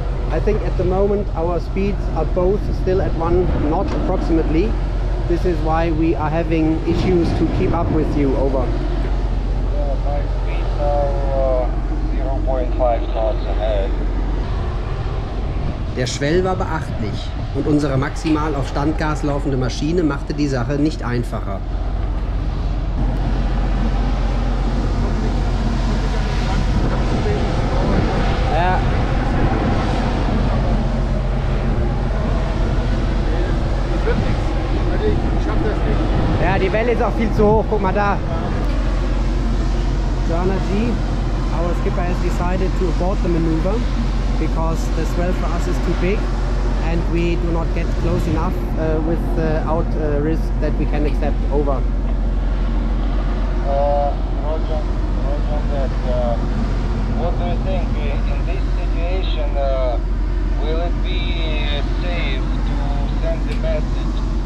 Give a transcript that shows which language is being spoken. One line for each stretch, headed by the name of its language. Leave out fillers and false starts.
English: I think at the moment our speeds are both still at one knot approximately. This is why we are having issues to keep up with you. Over. My speeds are 0.5 knots ahead.
German: Der Schwell war beachtlich und unsere maximal auf Standgas laufende Maschine machte die Sache nicht einfacher. Die Welle ist auch viel zu hoch, guck mal da.
English: Jana G, our skipper has decided to abort the maneuver because the swell for us is too big and we do not get close enough without a risk that we can accept. Over. What do you think in this situation, will it be safe to send the message?